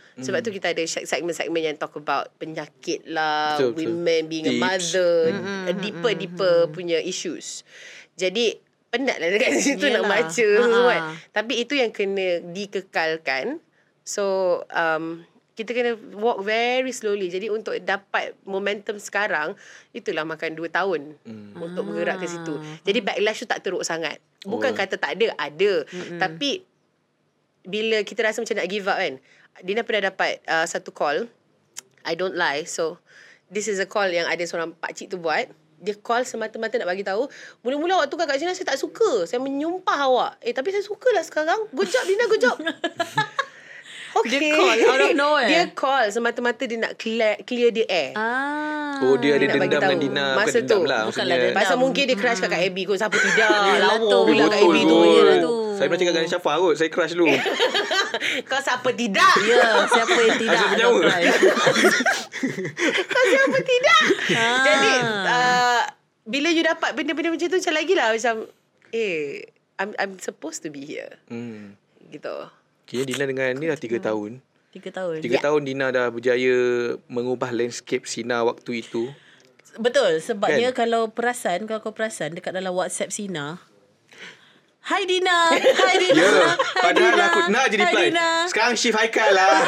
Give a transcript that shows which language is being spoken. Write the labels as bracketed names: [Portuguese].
[Malay] Sebab tu kita ada segmen-segmen yang [English] talk about [Malay] penyakit lah, [English] women being a mother, [Malay] deeper punya issues. Jadi penat lah dekat situ nak baca. Tapi itu yang kena dikekalkan. [English] So [Malay] kita kena [English] walk very slowly. [Malay] Jadi untuk dapat momentum sekarang, itulah makan 2 tahun untuk bergerak ke situ. Jadi backlash tu tak teruk sangat. Bukan kata tak ada, ada. Tapi bila kita rasa macam nak [English] give up [Malay] kan, Dina pernah dapat satu call. [English] I don't lie. [Malay] So this is a call yang ada seorang pakcik tu buat. Dia call semata-mata nak bagi tahu, mula-mula awak tukar kat sini saya tak suka, saya menyumpah awak, tapi saya sukalah sekarang. [English] Good job Dina, good job. Okay. [Malay] Dia [English] call out of nowhere. [Malay] Dia call semata-mata dia nak [English] clear the air. [Malay] Dia ada dendam dengan Dina. Masa dendam tu. Bukanlah dendam. Pasal mungkin dia crush kat Abby kot. Siapa tidak. Lawa pula kat Abby tu. Saya pernah cakap dengan Syafa kot. Saya crush dulu. Kau siapa tidak? Ya, siapa yang tidak? Asal penyawa. Kau siapa tidak? Ha. Jadi, bila you dapat benda-benda macam tu, macam lagi lah. Macam, [English] I'm supposed to be here. [Malay] Gitu. Okay, Dina dengan ni dah 3 tahun. 3 tahun. 3 tahun Dina dah berjaya mengubah landscape Sina waktu itu. Betul. Sebabnya kan? kalau kau perasan dekat dalam WhatsApp Sina. Hai Dina. Hai Dina. Ya. Padahal aku nak jadi reply. Sekarang shift Haikal lah.